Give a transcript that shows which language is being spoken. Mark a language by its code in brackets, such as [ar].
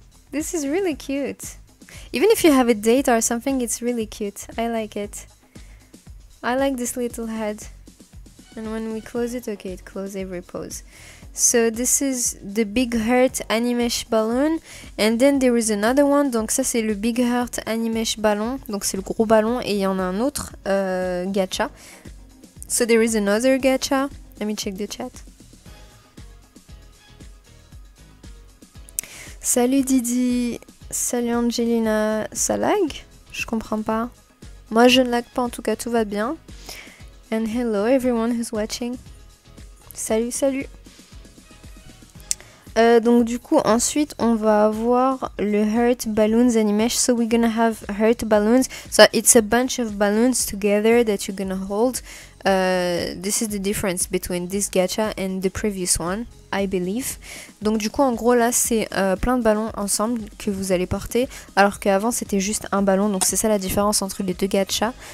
[en] This is really cute. Even if you have a date or something, it's really cute. I like it. I like this little head. And when we close it, okay, it closes every pose. So this is the Big Heart Animesh Balloon. And then there is another one. [fr] Donc ça, c'est le Big Heart Animesh Ballon. Donc c'est le gros ballon. Et il y en a un autre gacha. [en] So there is another gacha. Let me check the chat. [fr] Salut Didi. Salut Angelina. Ça lag? Je comprends pas. Moi, je ne lag pas. En tout cas, tout va bien. [en] And hello everyone who's watching. [fr] Salut, salut. Donc du coup ensuite on va avoir le Heart Balloons Animesh. [en] So we're gonna have Heart Balloons. So it's a bunch of balloons together that you're gonna hold. This is the difference between this gacha and the previous one, I believe. [fr] Donc du coup en gros là c'est plein de ballons ensemble que vous allez porter. Alors qu'avant c'était juste un ballon. Donc c'est ça la différence entre les deux gacha.